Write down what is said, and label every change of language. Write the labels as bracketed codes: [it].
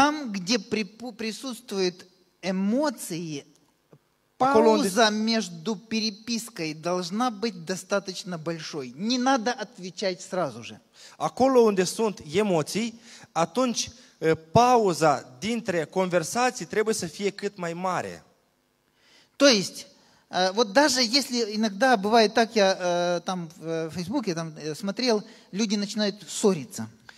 [ru] Там, где присутствуют эмоции, пауза между перепиской должна быть достаточно большой. Не надо отвечать сразу же. [ro] Acolo unde sunt emoții, atunci pauza dintre conversații trebuie să fie cât mai mare. [ru] То есть, вот даже если иногда бывает так, я там в Фейсбуке там смотрел, люди начинают ссориться.